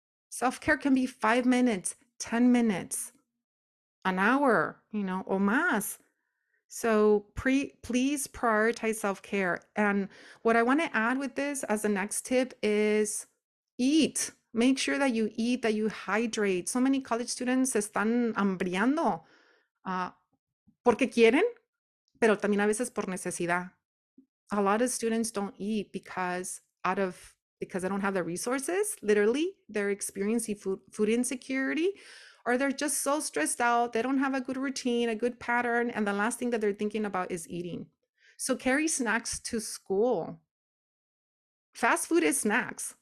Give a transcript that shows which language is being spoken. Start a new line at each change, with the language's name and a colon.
English: Self-care can be 5 minutes, 10 minutes, an hour, you know, or
Spanish: más.
English: So please prioritize self-care. And what I want to add with this as the next tip is eat. Make sure that you eat, that you hydrate. So many college students
Spanish: están hambriando porque quieren, pero también a veces por necesidad.
English: A lot of students don't eat because they don't have the resources. Literally, they're experiencing food insecurity, or they're just so stressed out. They don't have a good routine, a good pattern. And the last thing that they're thinking about is eating. So carry snacks to school. Fast food is snacks.